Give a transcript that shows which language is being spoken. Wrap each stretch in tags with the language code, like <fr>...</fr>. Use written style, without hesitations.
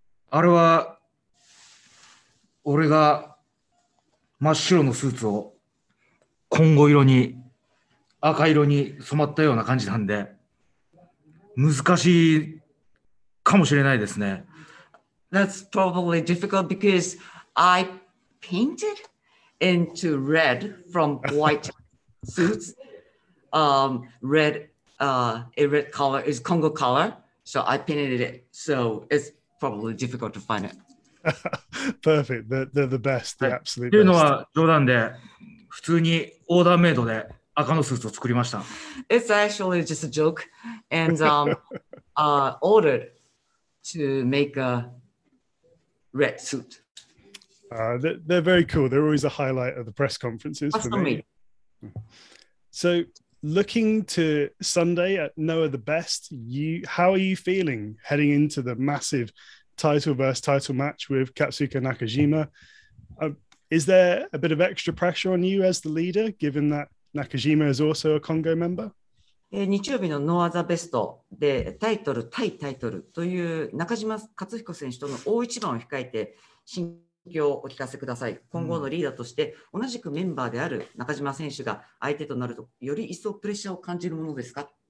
<ja>あれは俺が真っ白のスーツを紺色に赤色に染まったような感じなんで難しいかもしれないですね。</ja> <en>That's probably difficult because I painted into red from white suits. Red, a red color is Congo color. So I painted it. So it's probably difficult to find it. Perfect. The best. The absolute</en> <ja>best. というのは冗談で、普通にオーダーメイドで赤のスーツを作りました。</ja> <en>It's actually just a joke. And ordered. To make a red suit. They're very cool. They're always a highlight of the press conferences for me. So, looking to Sunday at Noah the Best, how are you feeling heading into the massive title versus title match with Katsuhiko Nakajima? Is there a bit of extra pressure on you as the leader, given that Nakajima is also a Congo member?</en> <ja>日曜日のノア・ザ・ベストでタイトル対タイトルという中島克彦選手との大一番を控えて心境をお聞かせください。今後のリーダーとして同じくメンバーである中島選手が相手となるとより一層プレッシャーを感じるものですか？</ja>